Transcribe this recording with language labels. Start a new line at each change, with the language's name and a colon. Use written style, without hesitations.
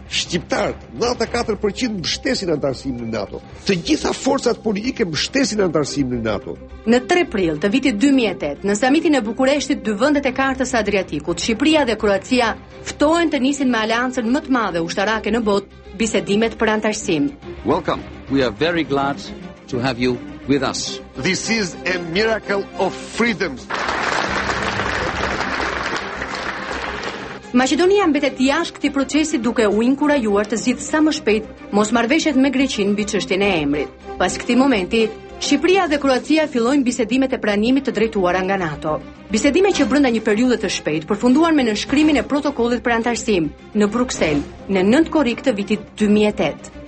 Albanian: Shqiptarët, 94% mbështesin antarësimin në NATO. Të gjitha forcat politike mbështesin antarësimin në NATO. Në 3 prill të vitit 2008, në samitin e Bukureshtit, dy vendet e Kartës së Adriatikut, Shqipëria dhe Kroacia, ftohen të nisin me aleancën më të madhe ushtarake në botë bisedimet për antarësim.
English: Welcome. We are very glad to have you with us. This is a miracle of freedom.
Albanian: Maqedonia mbetet jashtë këtij procesi duke u inkurajuar të zgjidhë sa më shpejt mosmarrveshjet me Greqinë mbi çështjen e emrit. Pas këtij momenti, Shqipëria dhe Kroacia fillojnë bisedimet e pranimit të drejtuara nga NATO. Bisedime që brenda një periudhe të shpejtë përfunduan me nënshkrimin e protokollit për antarësim në Bruksel në 9 korrik të vitit 2008.